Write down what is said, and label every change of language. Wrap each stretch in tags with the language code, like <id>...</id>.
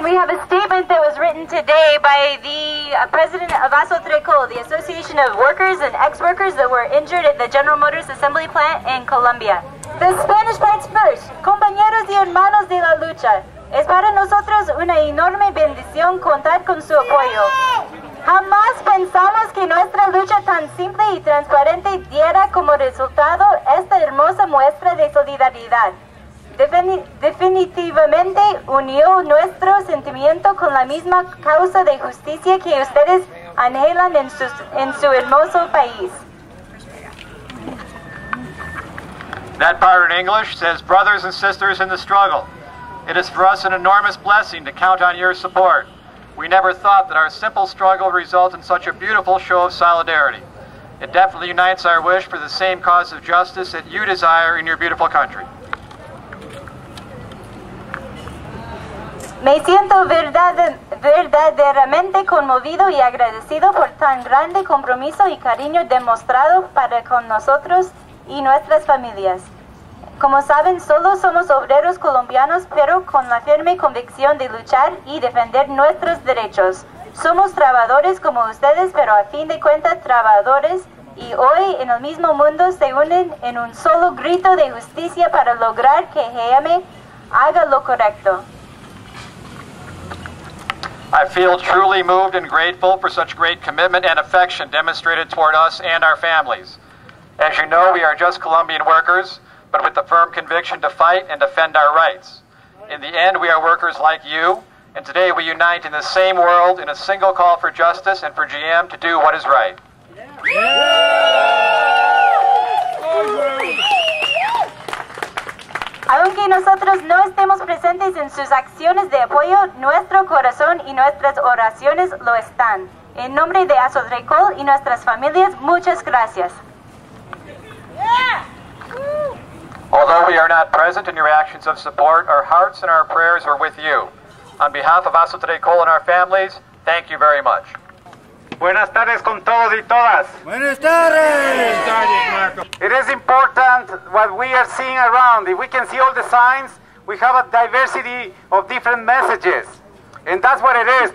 <en>We have a statement that was written today by the president of ASOTRECO, the Association of Workers and Ex-Workers that were injured at the General Motors assembly plant in Colombia. The Spanish part's first.</en> <es>Compañeros y hermanos de la lucha, es para nosotros una enorme bendición contar con su apoyo. Jamás pensamos que nuestra lucha tan simple y transparente diera como resultado esta hermosa muestra de solidaridad. Definitivamente unió nuestro sentimiento con la misma causa de justicia que ustedes anhelan en su hermoso país.</es> <en>That part in English says, brothers and sisters in the struggle, it is for us an enormous blessing to count on your support. We never thought that our simple struggle would result in such a beautiful show of solidarity. It definitely unites our wish for the same cause of justice that you desire in your beautiful country.</en> <es>Me siento verdaderamente conmovido y agradecido por tan grande compromiso y cariño demostrado para con nosotros y nuestras familias. Como saben, solo somos obreros colombianos, pero con la firme convicción de luchar y defender nuestros derechos. Somos trabajadores como ustedes, pero a fin de cuentas trabajadores, y hoy en el mismo mundo se unen en un solo grito de justicia para lograr que GM haga lo correcto.</es> <en>feel truly moved and grateful for such great commitment and affection demonstrated toward us and our families. As you know, we are just Colombian workers, but with the firm conviction to fight and defend our rights. In the end, we are workers like you, and today we unite in the same world in a single call for justice and for GM to do what is right.</en> <es>Aunque nosotros no estemos presentes en sus acciones de apoyo, nuestro corazón y nuestras oraciones lo están. En nombre de Aso Dracol y nuestras familias, muchas gracias.</es> <en>Although we are not present in your actions of support, our hearts and our prayers are with you. On behalf of Aso Dracol and our families, thank you very much.</en> <es>Buenas tardes con todos y todas. Buenas tardes.</es> <en>It is important what we are seeing around. If we can see all the signs, we have a diversity of different messages. And that's what it is.</en>